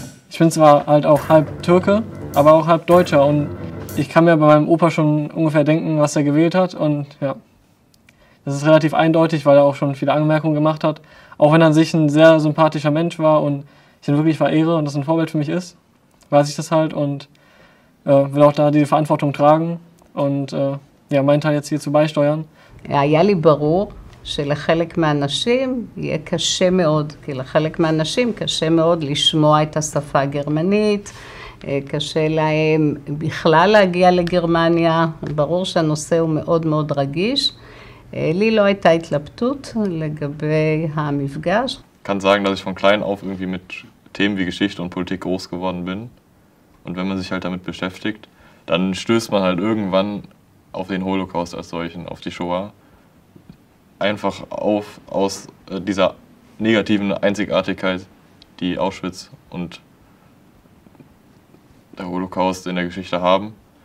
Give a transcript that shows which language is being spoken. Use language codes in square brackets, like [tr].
[de] Ich bin zwar halt auch halb Türke, aber auch halb Deutscher und ich kann mir bei meinem Opa schon ungefähr denken, was er gewählt hat und ja, das ist relativ eindeutig, weil er auch schon viele Anmerkungen gemacht hat, auch wenn er an sich ein sehr sympathischer Mensch war und ich ihn wirklich verehre und das ein Vorbild für mich ist, weiß ich das halt und will auch da die Verantwortung tragen und ja, meinen Teil jetzt hier zu beisteuern. Ja, Jali Baro. [he] שלחלק מהאנשים יהיה קשה מאוד, כי לחלק מהאנשים קשה מאוד לשמוע את השפה הגרמנית, קשה להם בכלל להגיע לגרמניה, ברור שהנושא הוא מאוד מאוד רגיש. לי לא הייתה התלבטות לגבי המפגש. [de] Kann sagen, dass ich von klein auf irgendwie mit Themen wie Geschichte und Politik groß geworden bin. Und wenn man sich halt damit beschäftigt, dann stößt man halt irgendwann auf den Holocaust als solchen, auf die Shoah. Einfach aus dieser negativen Einzigartigkeit, die Auschwitz und der Holocaust in der Geschichte haben.